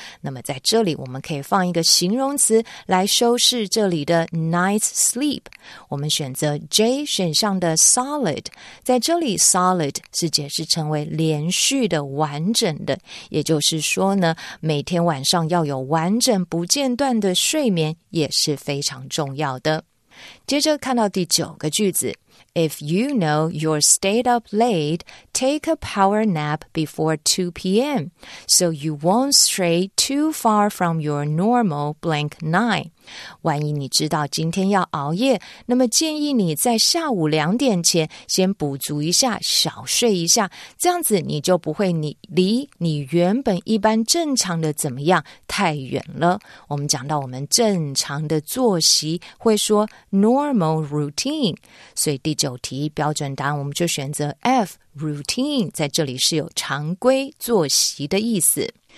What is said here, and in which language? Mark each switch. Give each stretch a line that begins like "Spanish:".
Chinese: 那么在这里，我们可以放一个形容词来修饰这里的 night sleep。我们选择 J 选项的 solid， 在这里 solid 是解释成为连续的、完整的，也就是说呢，每天晚上要有完整不间断的睡眠也是非常重要的。接着看到第九个句子，
English: If you know you're stayed up late, take a power nap before 2 p.m. so you won't stray too far from your normal blank nine.
Chinese: 万一你知道今天要熬夜，那么建议你在下午两点前先补足一下，小睡一下，这样子你就不会离你原本一般正常的怎么样太远了。我们讲到我们正常的作息会说 normal routine， 所以第九题标准答案我们就选择 F routine， 在这里是有常规作息的意思。